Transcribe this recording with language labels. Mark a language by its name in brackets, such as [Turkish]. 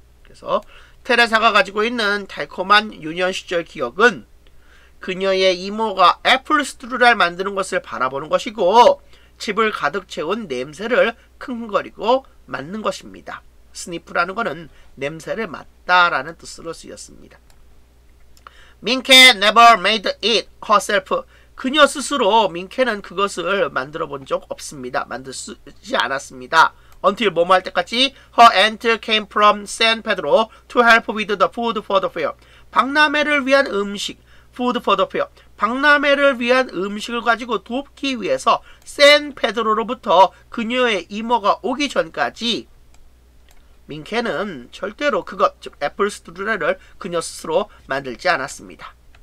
[Korean] 그래서 테레사가 가지고 있는 달콤한 유년 시절 기억은 그녀의 이모가 애플 스트루를 만드는 것을 바라보는 것이고 집을 가득 채운 냄새를 킁킁거리고 맡는 것입니다. Sniff라는 것은 냄새를 맡다라는 뜻으로 쓰였습니다. [English] Minke never made it herself. [Korean] 그녀 스스로 민케는 그것을 만들어 본 적 없습니다. 만들지 않았습니다. [English] Until [Korean] 뭐뭐 할 때까지 [English] her aunt came from San Pedro to help with the food for the fair. [Korean] 박람회를 위한 음식, [English] food for the fair. [Korean] 박람회를 위한 음식을 가지고 돕기 위해서 San Pedro로부터 그녀의 이모가 오기 전까지 민케는 절대로 그것, 즉 애플 스트루레를 그녀 스스로 만들지 않았습니다.